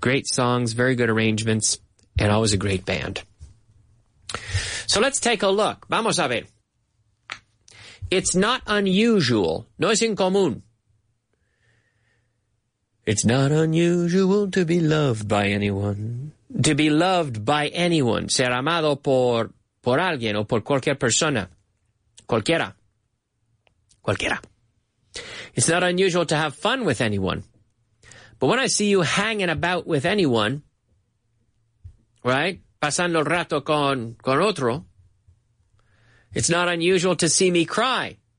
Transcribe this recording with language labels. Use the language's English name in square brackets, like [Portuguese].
[English] Great songs, very good arrangements, and always a great band. So let's take a look. [Spanish] Vamos a ver. [English] It's not unusual. [Spanish] No es incomún. [English] It's not unusual to be loved by anyone. To be loved by anyone. [Spanish] Ser amado por alguien o por cualquier persona. Cualquiera. Cualquiera. [English] It's not unusual to have fun with anyone. But when I see you hanging about with anyone, right? [Spanish] Pasando el rato con otro. [English] It's not unusual to see me cry.